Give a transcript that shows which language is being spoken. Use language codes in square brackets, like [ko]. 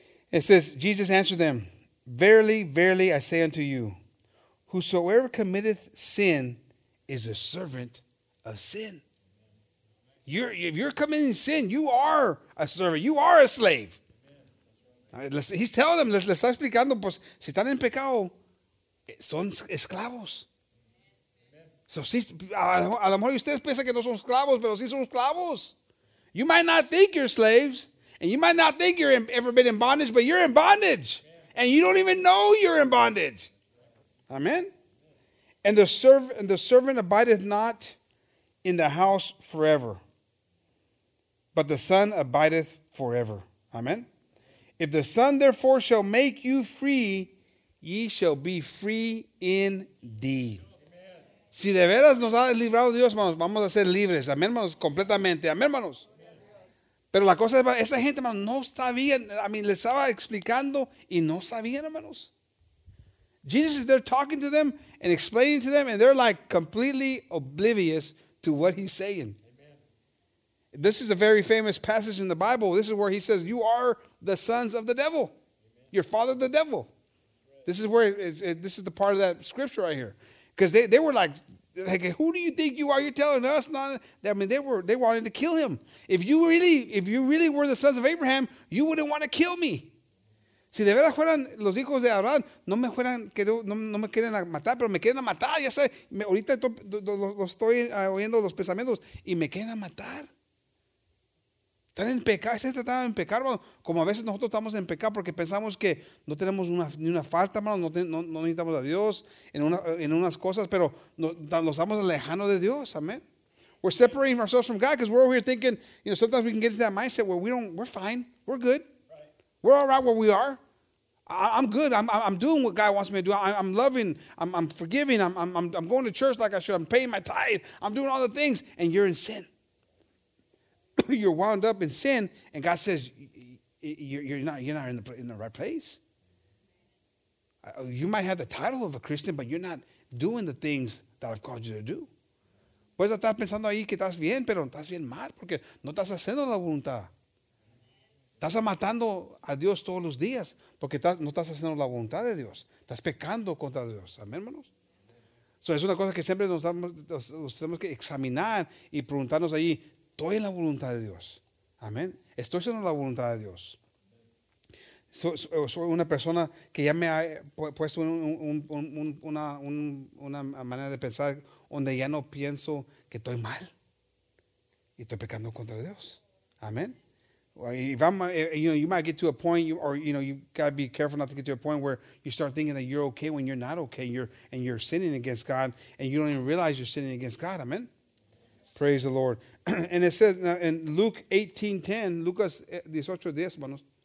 [en] It says, Jesus answered them, verily, verily, I say unto you, whosoever committeth sin is a servant of sin. If you're committing sin, you are a servant. You are a slave. He's telling them, [es] le está explicando, pues, si están en pecado, son esclavos. So, si, a lo mejor ustedes piensan que no son esclavos, pero sí son esclavos. [en] You might not think you're slaves, and you might not think you've ever been in bondage, but you're in bondage, and you don't even know you're in bondage. Amen? And the servant abideth not in the house forever, but the son abideth forever. Amen? If the son therefore shall make you free, ye shall be free indeed. Amen. [es] Si de veras nos ha librado Dios, hermanos, vamos a ser libres. Amén, hermanos, completamente. Amén, hermanos. Pero la cosa es, esa gente, hermanos, no sabían. [en] I mean, [es] les estaba explicando y no sabían, hermanos. [en] Jesus is there talking to them and explaining to them, and they're like completely oblivious to what he's saying. Amen. This is a very famous passage in the Bible. This is where he says, you are the sons of the devil. Amen. Your father, the devil. This is where this is the part of that scripture right here. Because they were like, who do you think you are? You're telling us not. I mean, they wanted to kill him. If you really were the sons of Abraham, you wouldn't want to kill me. [es] Si de verdad fueran los hijos de Abraham, no me fueran, no me quieren matar, pero me quieren matar. Ya sabes, ahorita estoy oyendo los pensamientos y me quieren matar. Están en pecado, están tratando de pecar, hermano. Como a veces nosotros estamos en pecado porque pensamos que no tenemos ni una falta, hermano. No necesitamos a Dios en unas cosas, pero nos estamos alejando de Dios. Amén. [en] We're separating ourselves from God because we're over here thinking, you know, sometimes we can get into that mindset where we're fine, we're good. We're all right where we are. I'm good. I'm doing what God wants me to do. I'm loving. I'm forgiving. I'm going to church like I should. I'm paying my tithe. I'm doing all the things. And you're in sin. You're wound up in sin. And God says, you're not in the right place. You might have the title of a Christian, but you're not doing the things that I've called you to do. [es] Puedes estar pensando ahí que estás bien, pero estás bien mal, porque no estás haciendo la voluntad. Estás matando a Dios todos los días porque no estás haciendo la voluntad de Dios. Estás pecando contra Dios. Amén, hermanos. So, es una cosa que siempre nos tenemos que examinar y preguntarnos ahí, ¿estoy en la voluntad de Dios? Amén. ¿Estoy haciendo la voluntad de Dios? Soy una persona que ya me ha puesto una manera de pensar donde ya no pienso que estoy mal y estoy pecando contra Dios. Amén. [en] If I'm, you know, you might get to a point, you got to be careful not to get to a point where you start thinking that you're okay when you're not okay. You're sinning against God, and you don't even realize you're sinning against God. Amen. Praise the Lord. And it says in Luke 18:10, Lucas 18:10, manos.